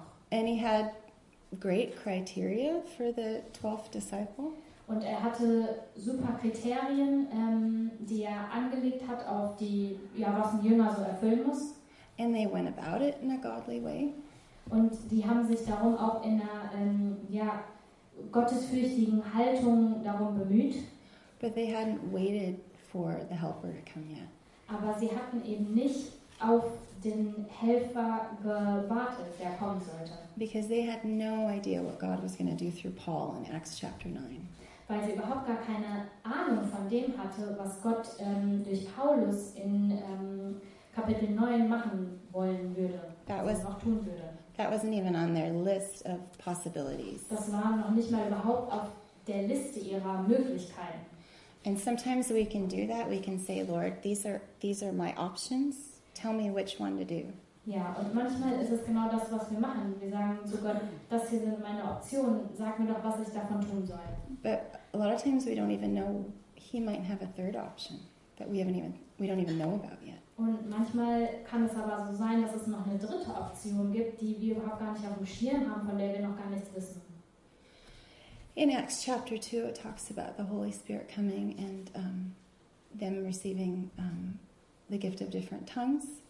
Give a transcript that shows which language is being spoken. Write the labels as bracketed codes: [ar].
[en] And he had great criteria for the 12th disciple. [de] Und er hatte super Kriterien, die er angelegt hat auf die, ja, was ein Jünger so erfüllen muss. [en] And they went about it in a godly way. [de] Und die haben sich darum auch in einer, ja, gottesfürchtigen Haltung darum bemüht. [en] But they hadn't waited for the helper to come yet. [de] Aber sie hatten eben nicht auf den Helfer gewartet, der kommen sollte. [en] Because they had no idea what God was going to do through Paul in Acts chapter 9. [de] Weil sie überhaupt gar keine Ahnung von dem hatte, was Gott durch Paulus in Kapitel 9 machen wollen würde, was er auch tun würde. [en] That wasn't even on their list of possibilities. [de] Das war noch nicht mal überhaupt auf der Liste ihrer Möglichkeiten. [en] And sometimes we can do that. We can say, Lord, these are my options. Tell me which one to do. [de] Ja, und manchmal ist es genau das, was wir machen. Wir sagen zu Gott, das hier sind meine Optionen. Sag mir doch, was ich davon tun soll. [en] But a lot of times we don't even know he might have a third option that we don't even know about yet. [de] Und manchmal kann es aber so sein, dass es noch eine dritte Option gibt, die wir überhaupt gar nicht auf dem Schirm haben, von der wir noch gar nichts wissen. [en] In Acts chapter 2 it talks about the Holy Spirit coming and them receiving the gift of different tongues.